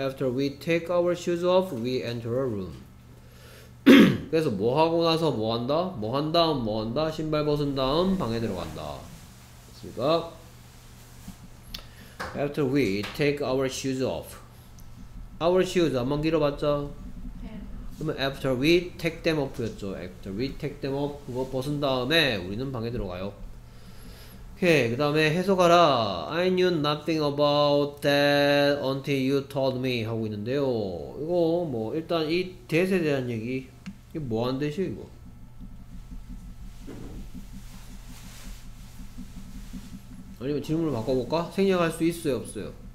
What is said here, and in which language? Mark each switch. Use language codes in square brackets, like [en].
[en] after we take our shoes off we enter a room. [ko] 그래서 뭐 하고 나서 뭐 한다? 뭐 한 다음 뭐 한다? 신발 벗은 다음 방에 들어간다. 됐습니까? [en] After we take our shoes off. Our shoes [ko] 한번 길어봤자? 그러면 [en] after we take them off [ko] 였죠. [en] After we take them off [ko] 그거 벗은 다음에 우리는 방에 들어가요. 오케이. 그 다음에 해석하라. [en] I knew nothing about that until you told me [ko] 하고 있는데요. 이거 뭐 일단 이 that에 대한 얘기 이게 뭐 하는 뜻이에요, 이거? 아니면 질문을 바꿔볼까? 생략할 수 있어요, 없어요?